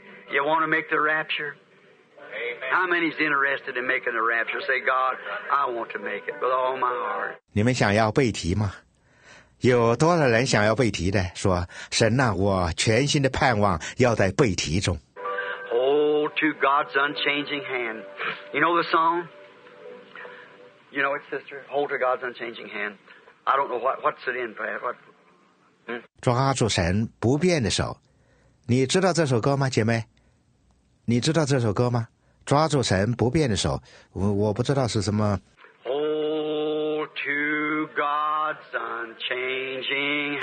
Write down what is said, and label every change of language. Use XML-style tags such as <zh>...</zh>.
<en>You want to make the rapture? How many is interested in making the rapture? Say, God, I want to make it with all my heart.</en> <zh>你们想要被提吗？有多少人想要被提的？说，神呐，我全心的盼望要在被提中。</zh> <en>Hold to God's unchanging hand. You know the song? You know it, sister? Hold to God's unchanging hand. I don't know what's it in, Pat. What?</en> <zh>抓住神不变的手，你知道这首歌吗，姐妹？你知道这首歌吗？抓住神不变的手，我不知道是什么。</zh> <en>Hold to God's unchanging hand.</en>